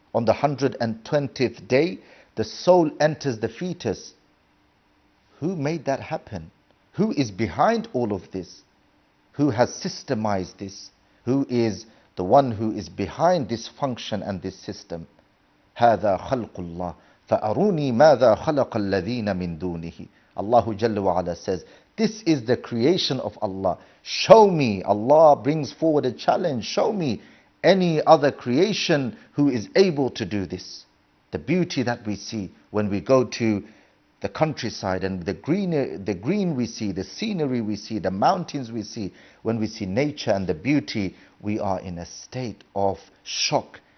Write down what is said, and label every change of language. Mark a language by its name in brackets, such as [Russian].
[English] On the 120th day, the soul enters the fetus. Who made that happen? Who is behind all of this? Who has systemized this? Who is the one who is behind this function and this system? [Arabic] هذا خلق الله فأروني ماذا خلق الذين من دونه. [English] Allah Jalla wa'ala says, this is the creation of Allah. Show me, Allah brings forward a challenge. Show me any other creation who is able to do this. The beauty that we see when we go to the countryside and the green we see, the scenery we see, the mountains we see, when we see nature and the beauty, we are in a state of shock.